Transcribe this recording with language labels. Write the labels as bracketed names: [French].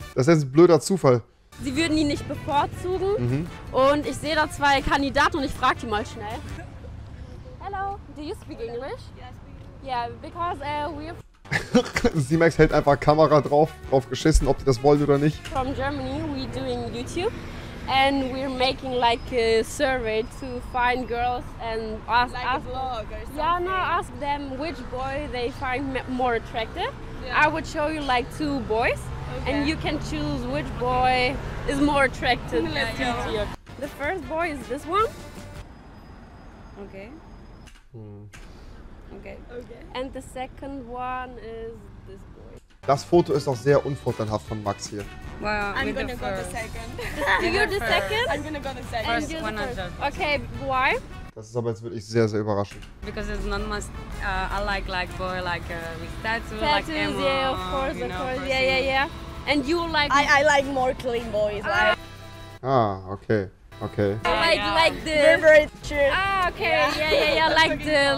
[German] Das ist jetzt ein blöder Zufall. Sie würden ihn nicht bevorzugen. Mhm. Und ich sehe da zwei Kandidaten und ich frage die mal schnell. [English] Hello, do you speak English? Yeah, because we're... [German] Simax hält einfach Kamera drauf geschissen, ob die das wollen oder nicht. [English] From Germany, we doing YouTube and we're making like a survey to find girls and ask a vlog or something. Yeah, no, ask them which boy they find more attractive. Yeah. I would show you like two boys and you can choose which boy is more attractive. The first boy is this one. Okay. Okay. And the second one is this boy. [German] Das Foto ist auch sehr unvorteilhaft von Max hier. [English] Well, I'm gonna go the second. You're the second? I'm gonna go the second. First, 100%. Okay, why? [German] Das ist aber jetzt wirklich sehr, sehr überraschend. [English] Because it's not much, I like boy, like with tattoos, tattoos, like emo, yeah, of course, you know, of course, yeah, yeah, yeah. And you like... I like more clean boys. Ah, okay, okay. Yeah, yeah. Like the... Reverend shirt. Ah, okay, yeah, yeah, yeah, yeah.